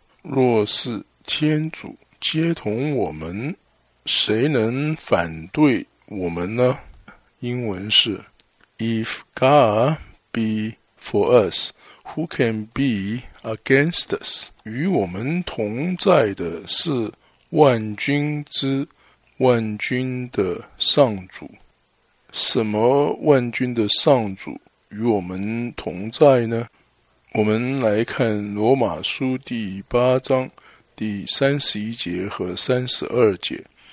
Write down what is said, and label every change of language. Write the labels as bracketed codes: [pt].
[zh] 若是天主接同我们，谁能反对我们呢？英文是 [en] If God be for us, who can be against us? [zh] 与我们同在的是万军之万军的上主。什么万军的上主与我们同在呢？我们来看罗马书第8章第31节和32节。